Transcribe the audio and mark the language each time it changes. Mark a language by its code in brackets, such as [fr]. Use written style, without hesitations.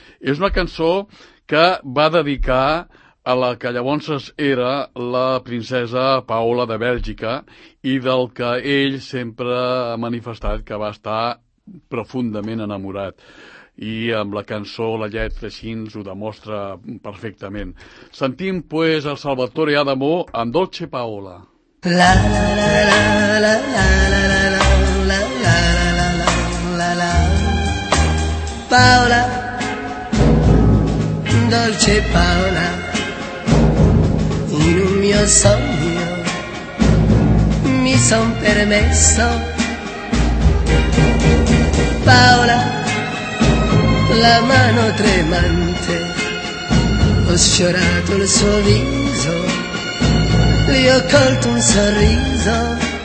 [ca] És una cançó que va dedicar a la que llavors era la princesa Paola de Bèlgica i del que ell sempre ha manifestat que va estar profundament enamorat. I amb la cançó, la lletra així ens ho demostra perfectament. Sentim, pues, el Salvatore Adamo amb Dolce Paola. La la la la la la la la la la la la la la la Paola, Dolce Paola. [it] In un mio sogno mi son permesso, Paola, la mano tremante, ho sfiorato il suo viso, gli ho colto un sorriso,